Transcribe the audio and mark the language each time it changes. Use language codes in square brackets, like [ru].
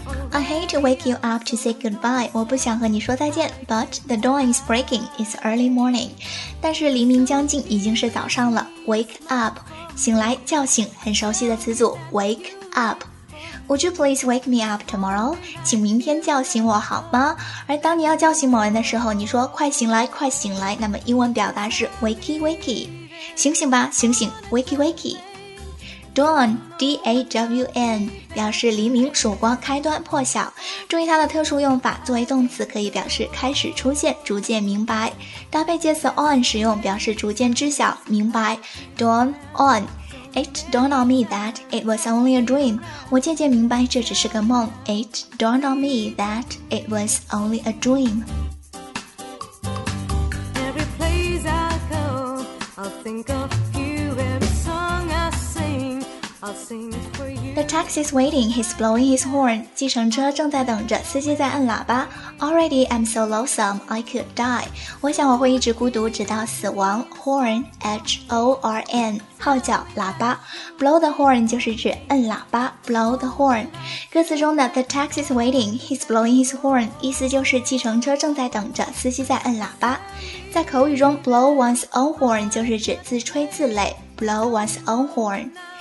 [en] I hate to wake you up to say goodbye. [zh] 我不想和你说再见。 [en] But the dawn is breaking. It's early morning. [zh] 但是黎明将近，已经是早上了。 [en] Wake up, [zh] 醒来，叫醒，很熟悉的词组。 [en] Wake up. Would you please wake me up tomorrow? [zh] 请明天叫醒我好吗？而当你要叫醒某人的时候，你说快醒来，快醒来，那么英文表达是 [en] wakey wakey， [zh] 醒醒吧，醒醒 ，wakey wakey。 Dawn, D-A-W-N, 表示黎明、曙光、开端、破晓。注意它的特殊用法，作为动词可以表示开始出现、逐渐明白。搭配介词 on 使用，表示逐渐知晓、明白。 [en] Dawn on. It dawned on me that it was only a dream. [zh] 我渐渐明白这只是个梦。 [en] It dawned on me that it was only a dream. Every place I go, I'll think of you. Every song I sing, I'll sing for you. The taxi's waiting, he's blowing his horn. [zh] 计程车正在等着，司机在按喇叭。 [en] Already I'm so lonesome, I could die. [zh] 我想我会一直孤独直到死亡。 [en] Horn, H-O-R-N. [zh] 号角喇叭 [en] blow the horn [zh] 就是指摁喇叭 blow the horn 歌词中的 [en] the taxi's waiting he's blowing his horn [zh] 意思就是计程车正在等着司机在摁喇叭在口语中 [en] blow one's own horn [zh] 就是指自吹自擂 blow one's own horn